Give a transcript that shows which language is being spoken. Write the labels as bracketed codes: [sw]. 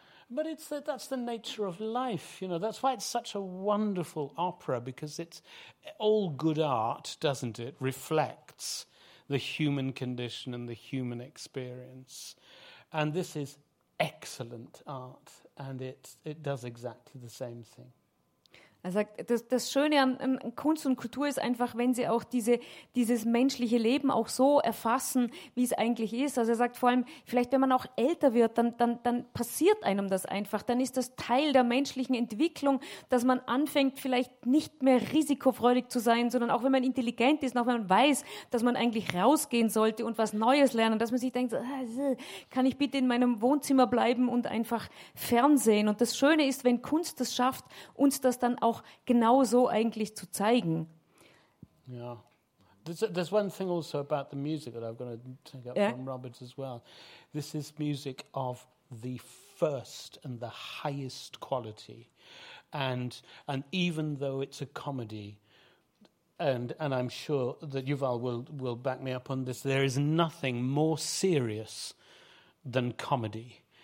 [en] But it's that's the nature of life, you know. That's why it's such a wonderful opera, because it's all good art, doesn't it? Reflects the human condition and the human experience, and this is excellent art. And it does exactly the same thing. [de] Er sagt, das Schöne an Kunst und Kultur ist einfach, wenn sie auch dieses menschliche Leben auch so erfassen, wie es eigentlich ist. Also er sagt vor allem, vielleicht wenn man auch älter wird, dann passiert einem das einfach. Dann ist das Teil der menschlichen Entwicklung, dass man anfängt, vielleicht nicht mehr risikofreudig zu sein, sondern auch wenn man intelligent ist, auch wenn man weiß, dass man eigentlich rausgehen sollte und was Neues lernen, dass man sich denkt, kann ich bitte in meinem Wohnzimmer bleiben und einfach fernsehen. Und das Schöne ist, wenn Kunst das schafft, uns das dann auch genau so eigentlich zu zeigen. [en] Yeah. There's one thing also about the music that I've got to take up from Robert as well. This is music of the first and the highest quality. And even though it's a comedy, and I'm sure that Yuval will back me up on this, there is nothing more serious than comedy.